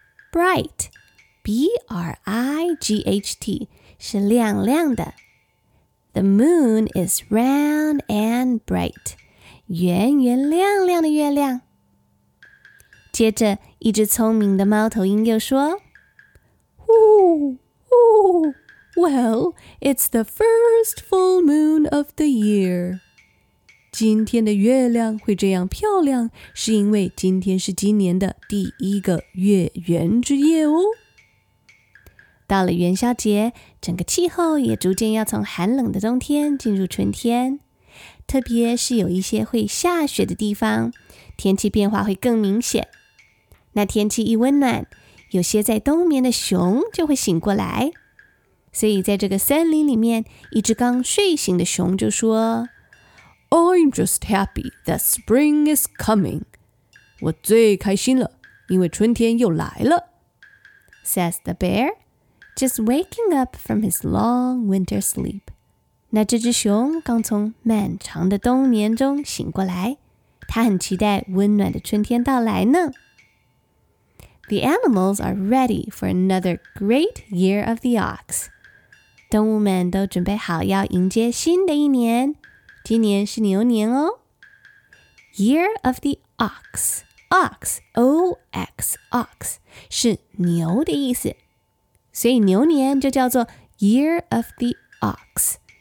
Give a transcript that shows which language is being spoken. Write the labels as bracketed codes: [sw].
[zh] Bright, B-R-I-G-H-T, 是亮亮的。 [en] The moon is round and bright, [zh] 圆圆亮亮的月亮。接着，一只聪明的猫头鹰又说 [en] Ooh, ooh, well, it's the first full moon of the year. [zh] 今天的月亮会这样漂亮，是因为今天是今年的第一个月圆之夜哦。到了元宵节，整个气候也逐渐要从寒冷的冬天进入春天，特别是有一些会下雪的地方，天气变化会更明显。那天气一温暖，有些在冬眠的熊就会醒过来。所以在这个森林里面，一只刚睡醒的熊就说 [en] I'm just happy that spring is coming. [zh] 我最开心了，因为春天又来了。 [en] Says the bear, just waking up from his long winter sleep. [zh] 那这只熊刚从漫长的冬眠中醒过来，它很期待温暖的春天到来呢。 [en] The animals are ready for another great year of the ox. [zh] 动物们都准备好要迎接新的一年。今年是牛年哦。 [en] Year of the Ox. [zh] Ox, O-X, Ox, 是牛的意思。所以牛年就叫做 [en] Year of the Ox.